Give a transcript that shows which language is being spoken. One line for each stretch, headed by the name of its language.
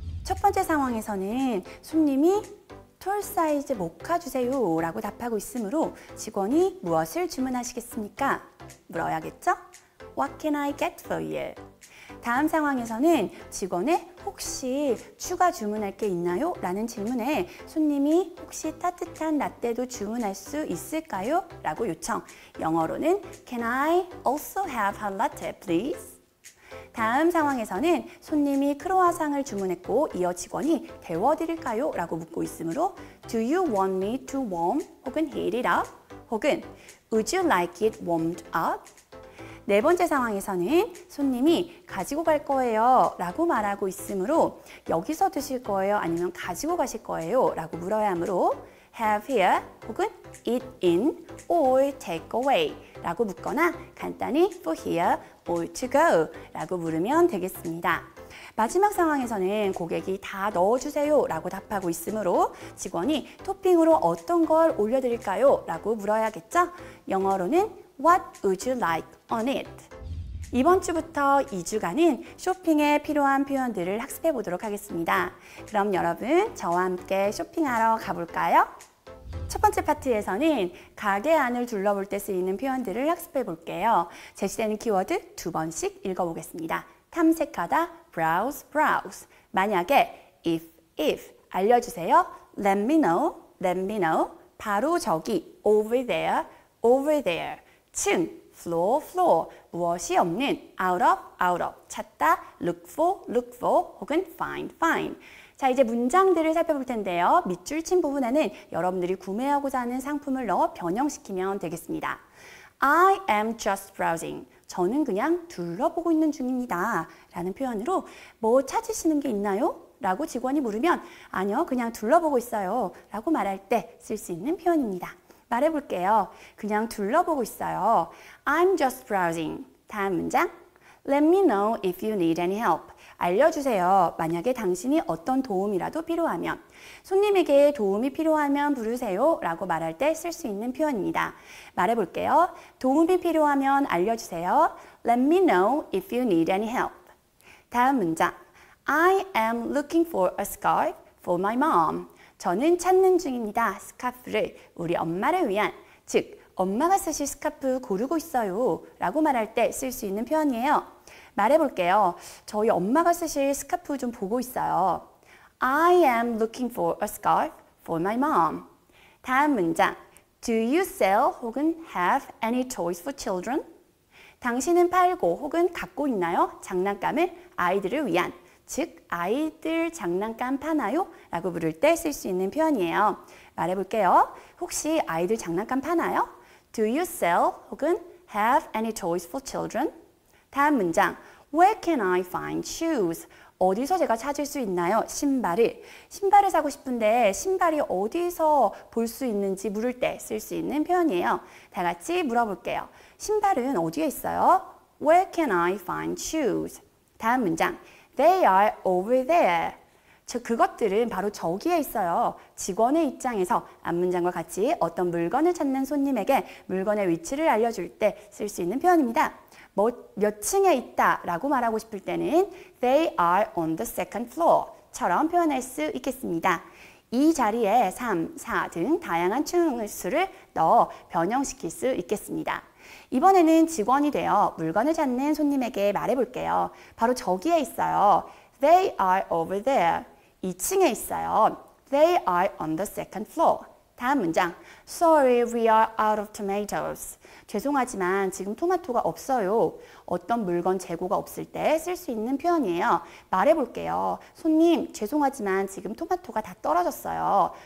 Korean: 첫 번째 상황에서는 손님이 톨 사이즈 모카 주세요 라고 답하고 있으므로 직원이 무엇을 주문하시겠습니까?
English: 물어야겠죠? What can I get for you?
Korean: 다음 상황에서는 직원의 혹시 추가 주문할 게 있나요? 라는 질문에 손님이 혹시 따뜻한 라떼도 주문할 수 있을까요? 라고 요청.
English: 영어로는 Can I also have a latte, please?
Korean: 다음 상황에서는 손님이 크로와상을 주문했고 이어 직원이 데워드릴까요?
English: 라고 묻고 있으므로 Do you want me to warm 혹은 heat it up? 혹은 Would you like it warmed up?
Korean: 네 번째 상황에서는 손님이 가지고 갈 거예요 라고 말하고 있으므로 여기서 드실 거예요 아니면 가지고 가실 거예요 라고 물어야 하므로 have here 혹은 eat in or take away 라고 묻거나 간단히 for here or to go 라고 물으면 되겠습니다. 마지막 상황에서는 고객이 다 넣어주세요 라고 답하고 있으므로 직원이 토핑으로 어떤 걸 올려드릴까요? 라고 물어야겠죠?
English: 영어로는 What would you like on it?
Korean: 이번 주부터 2주간은 쇼핑에 필요한 표현들을 학습해 보도록 하겠습니다. 그럼 여러분 저와 함께 쇼핑하러 가볼까요? 첫 번째 파트에서는 가게 안을 둘러볼 때 쓰이는 표현들을 학습해 볼게요. 제시되는 키워드 두 번씩 읽어보겠습니다.
English: 탐색하다, browse, browse. 만약에 if, 알려주세요. Let me know.
Korean: 바로 저기, over there.
English: 층, floor, 무엇이 없는, out of, 찾다, look for, 혹은 find.
Korean: 자, 이제 문장들을 살펴볼 텐데요. 밑줄 친 부분에는 여러분들이 구매하고자 하는 상품을 넣어 변형시키면 되겠습니다.
English: I am just browsing.
Korean: 저는 그냥 둘러보고 있는 중입니다. 라는 표현으로 뭐 찾으시는 게 있나요? 라고 직원이 물으면 아니요, 그냥 둘러보고 있어요. 라고 말할 때 쓸 수 있는 표현입니다. 말해볼게요. 그냥 둘러보고 있어요. I'm just browsing. 다음 문장.
English: Let me know if you need any help.
Korean: 알려주세요. 만약에 당신이 어떤 도움이라도 필요하면. 손님에게 도움이 필요하면 부르세요. 라고 말할 때 쓸 수 있는 표현입니다. 말해볼게요. 도움이 필요하면 알려주세요.
English: Let me know if you need any help.
Korean: 다음 문장.
English: I am looking for a scarf for my mom.
Korean: 저는 찾는 중입니다. 스카프를 우리 엄마를 위한, 즉 엄마가 쓰실 스카프 고르고 있어요 라고 말할 때 쓸 수 있는 표현이에요. 말해볼게요. 저희 엄마가 쓰실 스카프 좀 보고 있어요.
English: I am looking for a scarf for my mom.
Korean: 다음 문장.
English: Do you sell 혹은 have any toys for children?
Korean: 당신은 팔고 혹은 갖고 있나요? 장난감을 아이들을 위한. 즉, 아이들 장난감 파나요? 라고 물을 때 쓸 수 있는 표현이에요. 말해볼게요. 혹시 아이들 장난감 파나요?
English: Do you sell 혹은 have any toys for children? 다음 문장. Where can I find shoes?
Korean: 어디서 제가 찾을 수 있나요? 신발을. 신발을 사고 싶은데 신발이 어디서 볼 수 있는지 물을 때 쓸 수 있는 표현이에요. 다 같이 물어볼게요. 신발은 어디에 있어요? Where can I find shoes? 다음 문장.
English: They are over there.
Korean: 저 그것들은 바로 저기에 있어요. 직원의 입장에서 앞 문장과 같이 어떤 물건을 찾는 손님에게 물건의 위치를 알려줄 때 쓸 수 있는 표현입니다. 뭐 몇 층에 있다 라고 말하고 싶을 때는 They are on the second floor 처럼 표현할 수 있겠습니다. 이 자리에 3, 4 등 다양한 층수를 넣어 변형시킬 수 있겠습니다. 이번에는 직원이 되어 물건을 찾는 손님에게 말해볼게요.
English: 바로 저기에 있어요. They are over there.
Korean: 2층에 있어요.
English: They are on the second floor.
Korean: 다음 문장.
English: Sorry, we are out of tomatoes.
Korean: 죄송하지만 지금 토마토가 없어요. 어떤 물건 재고가 없을 때 쓸 수 있는 표현이에요. 말해볼게요. 손님, 죄송하지만 지금 토마토가 다 떨어졌어요.